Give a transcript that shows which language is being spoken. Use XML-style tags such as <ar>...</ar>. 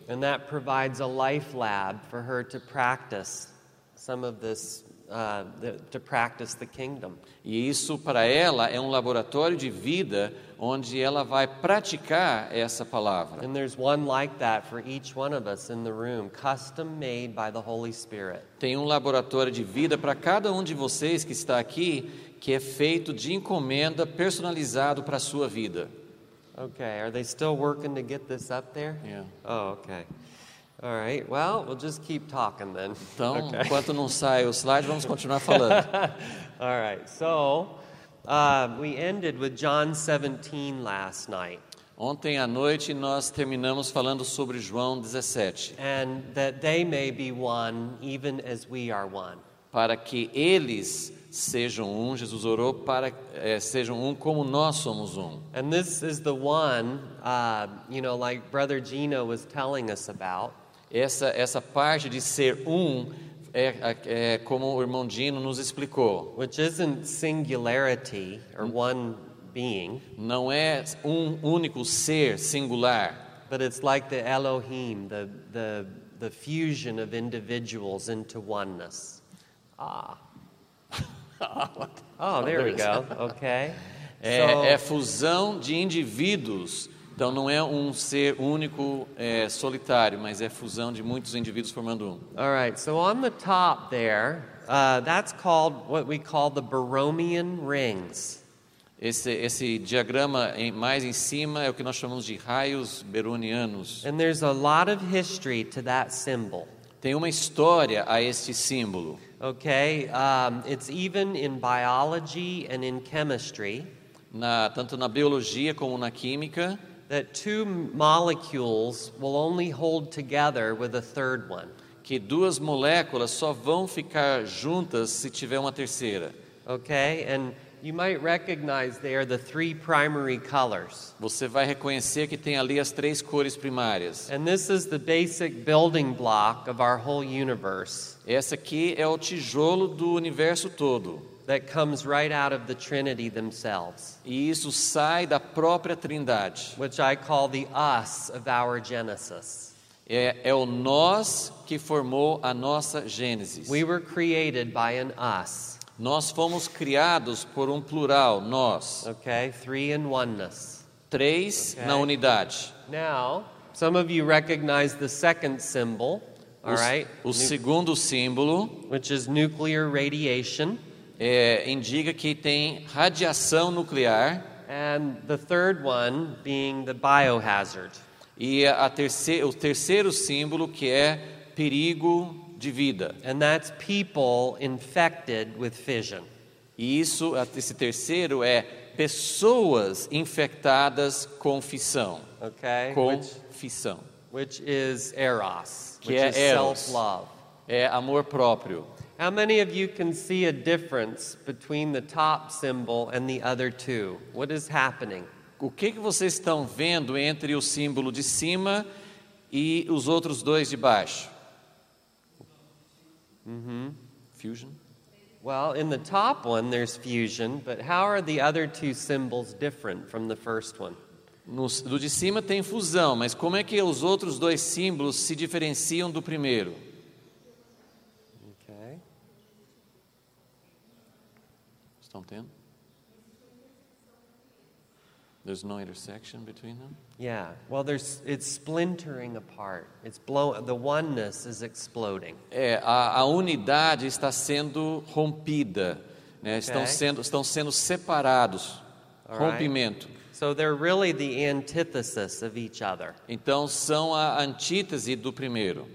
<en>And that provides a life lab for her to practice some of this, to practice the kingdom.</en> <pt>E isso para ela é um laboratório de vida onde ela vai praticar essa palavra.</pt> <en>And there's one like that for each one of us in the room, custom made by the Holy Spirit.</en> <pt>Tem um laboratório de vida para cada um de vocês que está aqui que é feito de encomenda personalizado para a sua vida.</pt> <en>Okay, are they still working to get this up there? Yeah. Oh, okay. All right. Well, we'll just keep talking then.</en> <pt>Então, okay. Enquanto não sai o slide, vamos continuar falando.</pt> <en>All right. So, we ended with John 17 last night.</en> <pt>Ontem à noite nós terminamos falando sobre João 17.</pt> <en>And that they may be one even as we are one.</en> <pt>Para que eles sejam um, Jesus orou para sejam um como nós somos um.</pt> <en>And this is the one, you know, like Brother Gino was telling us about.</en> <pt>Essa parte de ser um é como o irmão Gino nos explicou.</pt> <en>Which isn't singularity or one being.</en> <pt>Não é um único ser singular.</pt> <en>But it's like the Elohim, the fusion of individuals into oneness. Ah. Oh, there we go. Okay.</en> <pt>É fusão de indivíduos. Então não é um ser único, solitário, mas é fusão de muitos indivíduos formando um.</pt> <en>All right. So on the top there, that's called what we call the Borromean rings.</en> <pt>Esse diagrama mais em cima é o que nós chamamos de raios berunianos.</pt> <en>And there's a lot of history to that symbol.</en> <pt>Tem uma história a este símbolo.</pt> <en>Okay, it's even in biology and in chemistry.</en> <pt>Tanto na biologia como na química.</pt> <en>That two molecules will only hold together with a third one.</en> <pt>Que duas moléculas só vão ficar juntas se tiver uma terceira.</pt> <en>Okay, and you might recognize there the three primary colors.</en> <pt>Você vai reconhecer que tem ali as três cores primárias.</pt> <en>And this is the basic building block of our whole universe.</en> <pt>Esse aqui é o tijolo do universo todo.</pt> <en>That comes right out of the Trinity themselves.</en> <pt>E isso sai da própria Trindade.</pt> <en>Which I call the us of our Genesis.</en> <pt>É o nós que formou a nossa Gênesis.</pt> <en>We were created by an us.</en> <pt>Nós fomos criados por plural, nós.</pt> <en>Okay, three in oneness.</en> <pt>Três okay. Na unidade.</pt> <en>Now, some of you recognize the second symbol, all right?</en> <pt>O segundo símbolo,</pt> <en>which is nuclear radiation.</en> <pt>Indica que tem radiação nuclear.</pt> <en>And the third one being the biohazard.</en> <pt>E o terceiro símbolo que é perigo de vida.</pt> <en>And that's people infected with fission.</en> <pt>E isso, esse terceiro é pessoas infectadas com fissão.</pt> <en>Okay.</en> <pt>Com fissão.</pt> <en>Which is eros.</en> <pt>Que</pt> <en>which</en> <pt>é</pt> <en>is eros. Self-love.</en> <pt>É amor próprio.</pt> <en>How many of you can see a difference between the top symbol and the other two? What is happening?</en> <pt>O que vocês estão vendo entre o símbolo de cima e os outros dois de baixo?</pt> <en>Fusion? Well, in the top one there's fusion, but how are the other two symbols different from the first one?</en> <pt>No de cima tem fusão, mas como é que os outros dois símbolos se diferenciam do primeiro?</pt> <en>Okay.</en> <pt>Estão tendo?</pt> <en>There's no intersection between them? Yeah. Well, it's splintering apart. The oneness is exploding.</en> <pt>A unidade está sendo rompida, né? Okay. Estão sendo separados.</pt> <en>All</en> <pt>rompimento.</pt> <en>Right. So they're really the antithesis of each other.</en> <pt>Então são a antítese do primeiro.</pt>